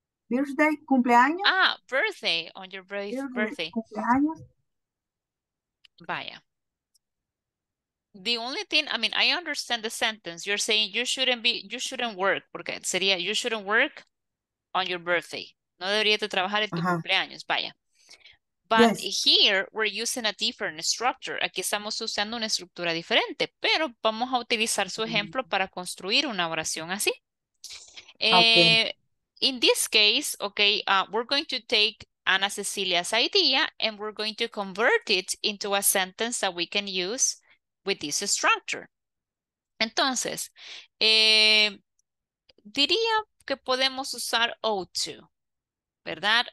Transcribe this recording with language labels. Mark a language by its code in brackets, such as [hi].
[en] Birthday, cumpleaños. Ah, birthday, on your birthday. [es] Cumpleaños. Vaya. [en] The only thing, I mean, I understand the sentence. You're saying you shouldn't work, [es] porque sería, [en] you shouldn't work on your birthday. [es] No deberías de trabajar en tu cumpleaños, vaya. [en] But yes. Here, we're using a different structure. [es] Aquí estamos usando una estructura diferente, pero vamos a utilizar su ejemplo para construir una oración así. [en] Okay. In this case, okay, we're going to take Ana Cecilia's idea, and we're going to convert it into a sentence that we can use with this structure. [es] Entonces, diría que podemos usar ought to, ¿verdad?